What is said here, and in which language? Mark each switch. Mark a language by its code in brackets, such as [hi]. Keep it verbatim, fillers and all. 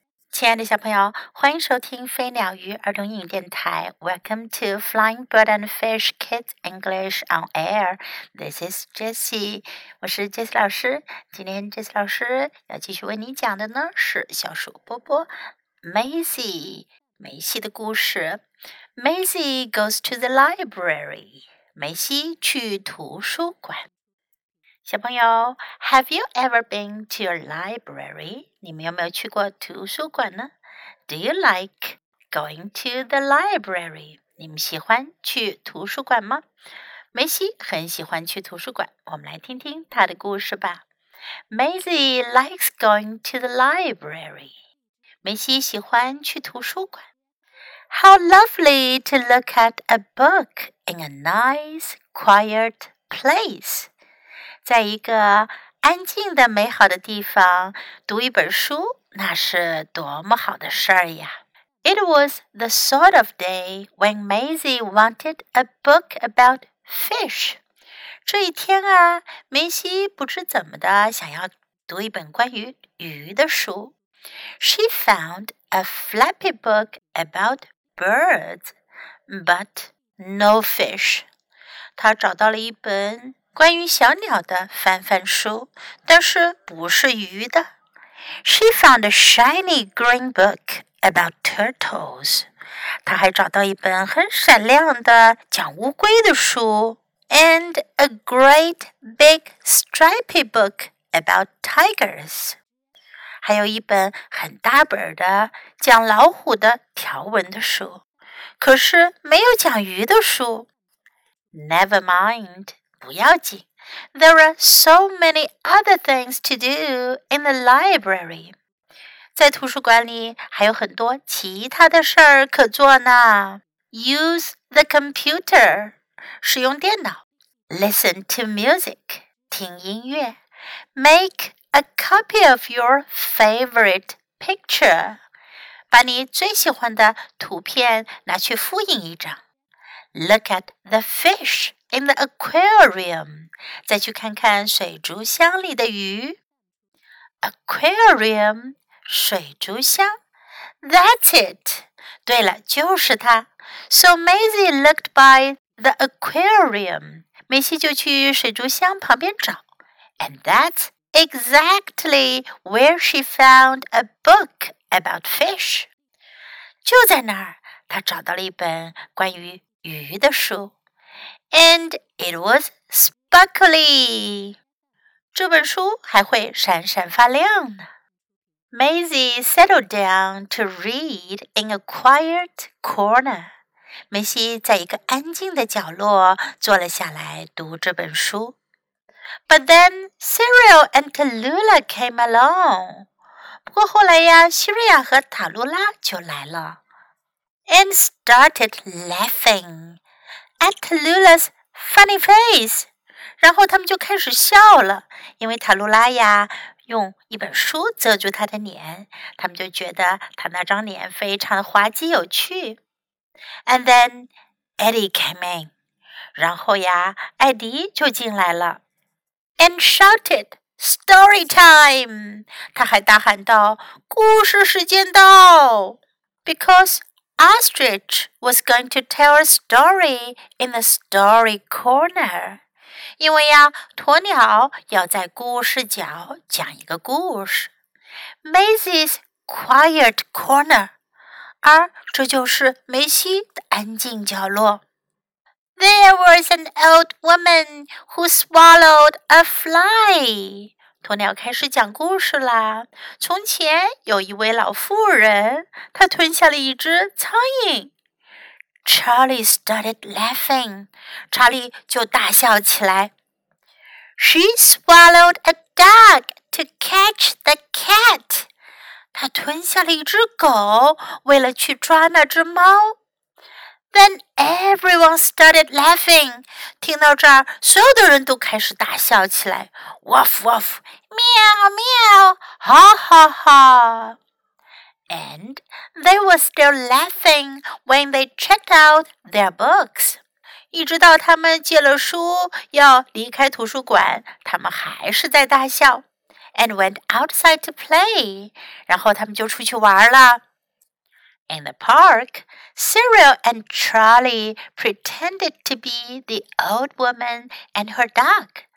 [zh] 亲爱的小朋友，欢迎收听飞鸟鱼儿童英语电台。 [en] Welcome to Flying Bird and Fish Kids English on Air. This is Jessie. [zh] 我是 Jessie 老师。今天 Jessie 老师要继续为你讲的呢是小鼠波波 Maisie 梅西的故事。 [en] Maisie goes to the library. [zh] 梅西去图书馆。小朋友 [en] ，Have you ever been to your library？ [zh] 你们有没有去过图书馆呢 ？ [en] Do you like going to the library？ [zh] 你们喜欢去图书馆吗？梅西很喜欢去图书馆，我们来听听她的故事吧。 [en] Maisie likes going to the library。 [zh] 梅西喜欢去图书馆。 [en] How lovely to look at a book in a nice, quiet place！ [zh] 在一个安静的美好的地方读一本书，那是多么好的事儿呀 ！ [en] It was the sort of day when Maisie wanted a book about fish. [zh] 这一天啊，梅西不知怎么的想要读一本关于鱼的书。 [en] She found a flappy book about birds, but no fish. [zh] 她找到了一本关于小鸟的翻翻书，但是不是鱼的。 [en] She found a shiny green book about turtles. [zh] 她还找到一本很闪亮的讲乌龟的书 [en] and a great big stripy book about tigers. [zh] 还有一本很大本的讲老虎的条纹的书，可是没有讲鱼的书。 [en] Never mind. [zh] 不要紧 [en] There are so many other things to do in the library. [zh] 在图书馆里还有很多其他的事儿可做呢。 [en] Use the computer. [zh] 使用电脑。 [en] Listen to music. [zh] 听音乐。 [en] Make a copy of your favorite picture. [zh] 把你最喜欢的图片拿去复印一张。 [en] Look at the fish. In the aquarium, [zh] 再去看看水族箱里的鱼。 [en] Aquarium, [zh] 水族箱。 [en] That's it. [zh] 对了，就是它。 [en] So Maisie looked by the aquarium. [zh] 梅西就去水族箱旁边找。 [en] And that's exactly where she found a book about fish. [zh] 就在那儿，她找到了一本关于鱼的书。 [en] And it was sparkly. [zh] 这本书还会闪闪发亮呢。 [en] Maisie settled down to read in a quiet corner. [zh] 梅西在一个安静的角落坐了下来读这本书。 [en] But then Cyril and Tallulah came along. [zh] 不过后来呀，西瑞亚和塔露拉就来了。 [en] And started laughing. At Tallulah's funny face. [zh] 然后他们就开始笑了，因为塔露拉呀用一本书遮住她的脸，他们就觉得她那张脸非常滑稽有趣。 [en] And then Eddie came in. [zh] 然后呀，艾迪就进来了。 [en] And shouted, "Story time!" [zh] 他还大喊道：“故事时间到 ！” [en] Because. Ostrich was going to tell a story in the story corner. [zh] 因为呀，鸵鸟要在故事角讲一个故事。 [en] Maisie's quiet corner. [zh] 而这就是梅西的安静角落。 [en] There was an old woman who swallowed a fly. [zh] 鸵鸟开始讲故事啦。从前有一位老妇人，她吞下了一只苍蝇。 [en] Charlie started laughing. [zh] 查理就大笑起来。 [en] She swallowed a dog to catch the cat. [zh] 她吞下了一只狗，为了去抓那只猫。 [en] Then everyone started laughing. [zh] 听到这儿，所有的人都开始大笑起来。 Woof woof, 喵喵，哈哈哈。 [en] And they were still laughing when they checked out their books. [zh] 一直到他们借了书要离开图书馆，他们还是在大笑。 [en] and went outside to play. [zh] 然后他们就出去玩了。 [en] In the park, Cyril and Charlie pretended to be the old woman and her dog.